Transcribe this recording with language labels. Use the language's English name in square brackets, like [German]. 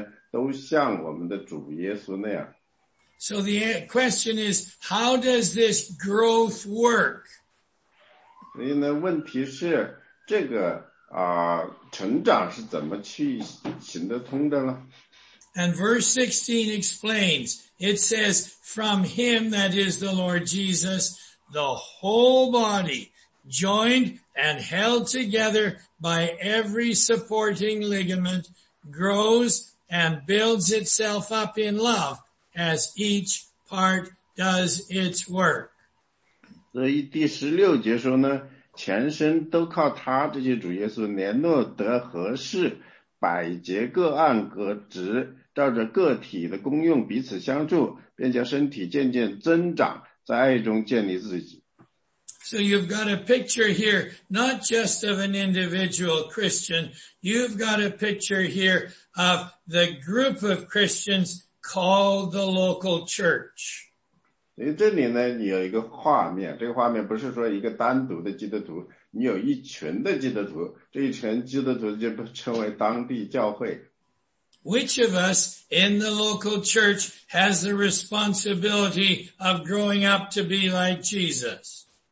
[Chinese] 我们的目标是什么呢？我们所有的人都要一起在主耶稣里成长。我们有一个很长的路去成长，最后我们都像我们的主耶稣那样。 [English] So the question is, how does this growth work? [Chinese] 所以呢，问题是这个。成长是怎么去行得通的呢? [English] And verse 16 explains, it says, from him, that is the Lord Jesus, the whole body, joined and held together by every supporting ligament, grows and builds itself up in love as each part does its work. [Chinese] 所以第16节说呢, 全身都靠他，这些主耶稣联络得合适，百节各按各职，照着个体的功用彼此相助，便将身体渐渐增长，在爱中建立自己。 [English] So you've got a picture here, not just of an individual Christian, you've got a picture here of the group of Christians called the local church. [Chinese] 所以这里呢，你有一个画面。这个画面不是说一个单独的基督徒，你有一群的基督徒。这一群基督徒就被称为当地教会。 [English] Which of us in the local church has the responsibility of growing up to be like Jesus?